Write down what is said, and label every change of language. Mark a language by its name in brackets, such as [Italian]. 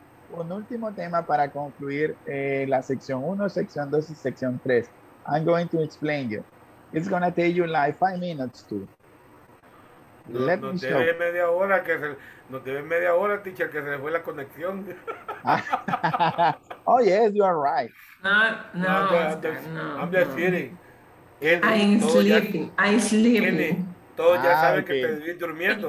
[Spanish] un último tema para concluir la sección 1, sección 2 y sección 3. [English] I'm going to explain you. It's going to take you like 5 minutes to. [Spanish] Nos debe media hora, que se, nos debe media hora, teacher, que se le fue la conexión. [English] Oh, yes, you are right. No, I'm just kidding. I'm sleeping. [Spanish] Todos ya saben que te vivís durmiendo.